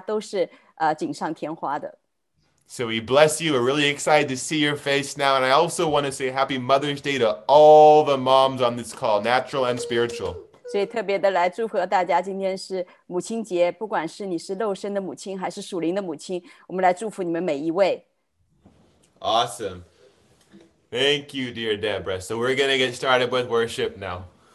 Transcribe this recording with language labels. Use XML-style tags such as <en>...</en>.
<zh>因为神已经造你非常美了，你再坐上去的话，就是你再有任何的添加，都是锦上添花的。</zh> <en>So we bless you. We're really excited to see your face now. And I also want to say happy Mother's Day to all the moms on this call, natural and spiritual.</en> <zh>所以特别的来祝福大家，今天是母亲节，不管是你是肉身的母亲还是属灵的母亲，我们来祝福你们每一位。</zh> <en>Awesome. Thank you, dear Deborah. So we're going to get started with worship now.</en>